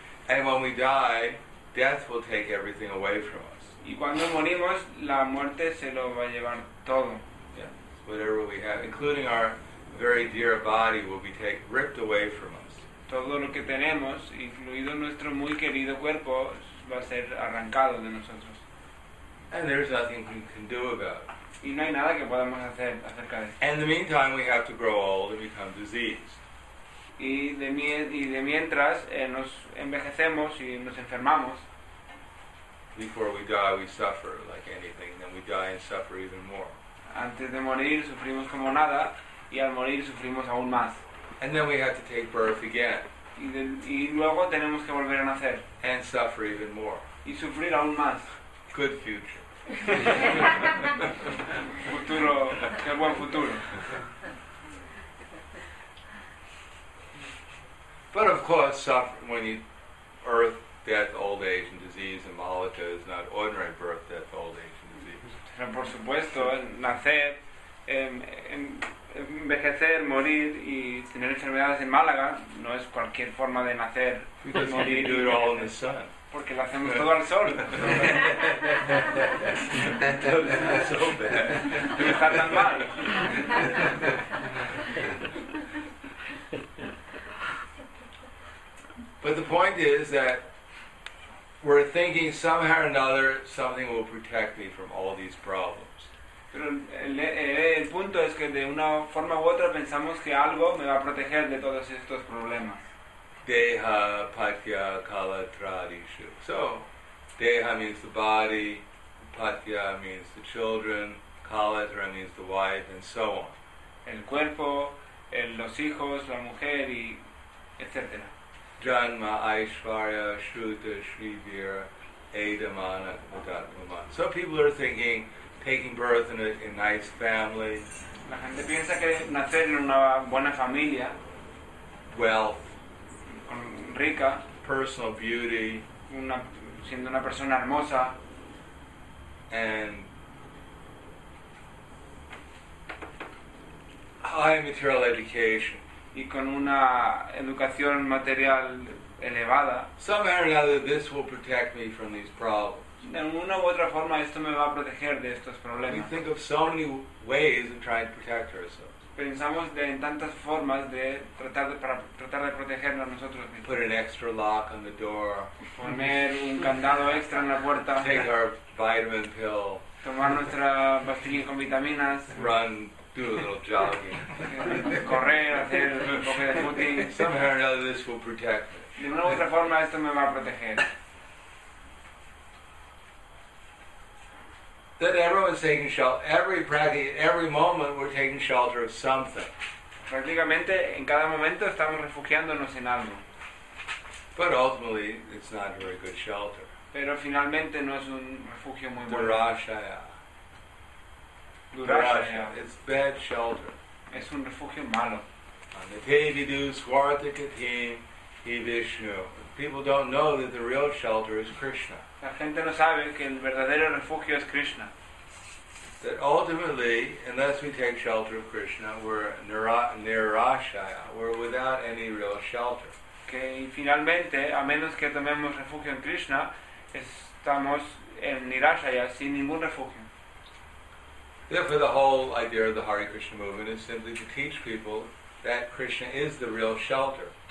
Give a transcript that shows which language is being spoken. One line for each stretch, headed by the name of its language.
English: And when we die, death will take everything away from us.
Spanish: Y cuando morimos, la muerte se lo va a llevar todo.
English: Yeah, whatever we have, including our very dear body, will be taken, ripped away from us.
Spanish: Todo lo que tenemos, incluido nuestro muy querido cuerpo, va a ser arrancado de nosotros.
English: And there's nothing we can do about it.
Spanish: Y no hay nada que podamos hacer acerca de esto.
English: In the meantime, we have to grow old and become diseased.
Spanish: Y de mientras nos envejecemos y nos enfermamos.
English: Before we die, we suffer like anything. Then we die and suffer even more.
Spanish: Antes de morir, sufrimos como nada. Y al morir, sufrimos aún más.
English: And then we have to take birth again.
Spanish: Y luego tenemos que volver a nacer.
English: And suffer even more.
Spanish: Y sufrir aún más.
English: Good future.
Spanish: Futuro, qué buen futuro.
English: But of course, suffering when you birth, death, old age, and disease, and malata is not ordinary birth, death, old age, and disease.
Spanish: Pero por supuesto, nacer, envejecer, morir y tener enfermedades en Málaga no es cualquier forma de nacer,
English: because
Spanish: morir.
English: Because you can do it all in the sun.
Spanish: Porque lo hacemos todo al sol.
English: So bad.
Spanish: No está tan mal.
English: But the point is that we're thinking somehow or another something will protect me from all these problems.
Spanish: Pero el punto es que de una forma u otra pensamos que algo me va a proteger de todos estos problemas.
Sanskrit: Deha patya kala tradishu.
English: So, deha means the body, patya means the children, kala tra means the wife, and so on.
Spanish: El cuerpo, los hijos, la mujer, y etc.
Sanskrit: Janma aishvarya shruta shrivir edamana udatmaman.
English: So people are thinking, taking birth in a nice family.
Spanish: La gente piensa que nacer en una buena familia.
English: Wealth.
Spanish: Rica,
English: personal beauty,
Spanish: siendo una persona hermosa,
English: and high material education.
Spanish: Y con una educación material elevada.
English: Somehow or another, this will protect me from these problems.
Spanish: De una u otra forma, esto me va a proteger de estos problemas.
English: We think of so many ways of trying to protect ourselves.
Spanish: Pensamos de en tantas formas de tratar de para tratar de protegernos nosotros mismos.
English: Put an extra lock on the door.
Spanish: Poner un candado extra en la puerta.
English: Take our vitamin pill.
Spanish: Tomar nuestra pastilla con vitaminas.
English: Run. Do a little jogging.
Spanish: Correr, hacer un poco de footing.
English: Somehow or another, this will protect me.
Spanish: De una u otra forma, esto me va a proteger.
English: That everyone's taking shelter, every practice, every moment, we're taking shelter of something.
Spanish: Prácticamente, en cada momento, estamos refugiándonos en algo.
English: But ultimately, it's not a very good shelter.
Spanish: Pero finalmente, no es un refugio muy bueno.
Sanskrit: Durashaya. Durashaya.
English: It's bad shelter.
Spanish: Es un refugio malo.
Sanskrit: Anitevidu swarthakatim hi Vishnu.
English: People don't know that the real shelter is Krishna.
Spanish: La gente no sabe que el verdadero refugio es Krishna.
English: That ultimately, unless we take shelter of Krishna, we're nirashaya, we're without any real shelter.
Spanish: Que finalmente, a menos que tomemos refugio en Krishna, estamos en nirashaya, sin ningún refugio.
English: Therefore, the whole idea of the Hare Krishna movement is simply to teach people that Krishna is the real shelter.